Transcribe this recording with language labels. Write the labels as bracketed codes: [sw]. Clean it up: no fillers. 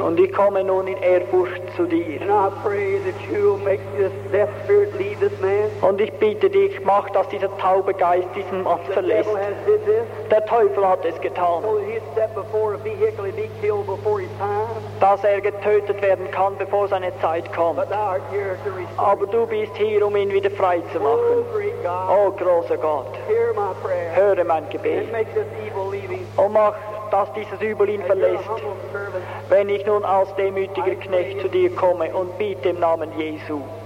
[de] Und ich komme nun in Ehrfurcht zu dir. [en] And I pray that you will make this deaf spirit leave this man. [de] Und ich bitte dich, mach, dass dieser taube Geist diesen Mann [en] the [de] verlässt. [en] Devil has did this. [de] Der Teufel hat es getan. [en] So he step before a vehicle and be killed before his time. [de] Dass er getötet werden kann, bevor seine Zeit kommt. [en] But thou art here to restore. [de] Aber du bist hier, um ihn wieder frei zu machen. [en] Oh, great God. [de] Oh großer Gott. [en] Hear my prayer. [de] Höre mein Gebet. [en] And make this evil leave. [de] Und mach, dass dieses Übel ihn verlässt, wenn ich nun als demütiger Knecht zu dir komme und biete im Namen Jesu.